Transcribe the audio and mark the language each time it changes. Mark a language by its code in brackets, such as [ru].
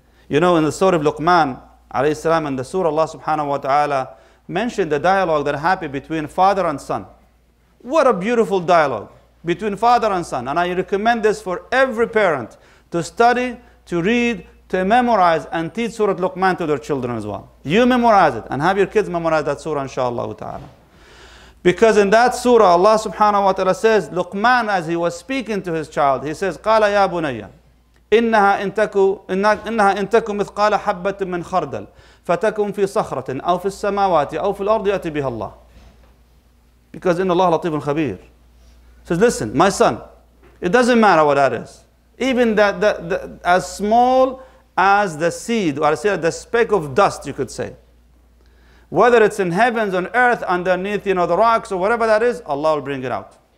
[en] You know, in the story of Luqman alayhi salam, in the surah, Allah subhanahu wa ta'ala mentioned the dialogue that happened between father and son. What a beautiful dialogue between father and son. And I recommend this for every parent to study, to read, to memorize and teach Surah Luqman to their children as well. You memorize it and have your kids memorize that surah inshallah ta'ala. Because in that surah, Allah subhanahu wa ta'ala says, Luqman, as he was speaking to his child, he says, [ar] قَالَ يَا بُنَيَّ إِنَّهَا إِنْتَكُ مِثْقَالَ حَبَّةٍ مِّنْ خَرْدَلٍ فَتَكُمْ فِي صَخْرَةٍ أَوْ فِي السَّمَاوَاتِ أَوْ فِي الْأَرْضِ يَأْتِ بِهَا اللَّهِ. [en] Because [ar] إِنَّ اللَّهَ لَطِيفٌ خَبِيرٌ. [en] Says, listen, my son, it doesn't matter what that is. Even that as small as the seed, or I say the speck of dust, you could say. Whether it's in heavens, on earth, underneath, you know, the rocks, or whatever that is, Allah will bring it out.